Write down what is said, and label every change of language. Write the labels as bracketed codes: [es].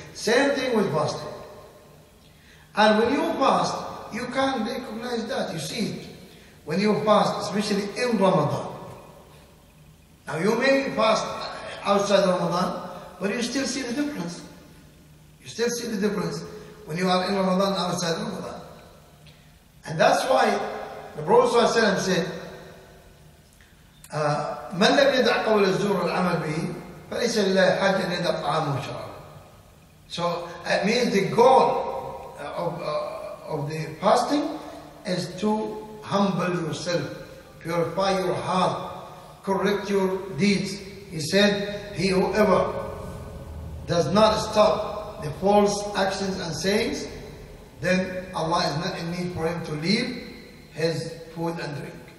[en] Same thing with fasting. And when you fast, you can recognize that, you see it. When you fast, especially in Ramadan. Now you may fast outside of Ramadan, but you still see the difference. You still see the difference when you are in Ramadan outside of Ramadan. And that's why the Prophet ﷺ said, [ar] "من لم يدع قول الزور والعمل به فليس لله حاجة أن يدع طعام وشراب." [en] So it means the goal of the fasting is to humble yourself, purify your heart, correct your deeds. He said, "He whoever does not stop the false actions and sayings, then Allah is not in need for him to leave his food and drink."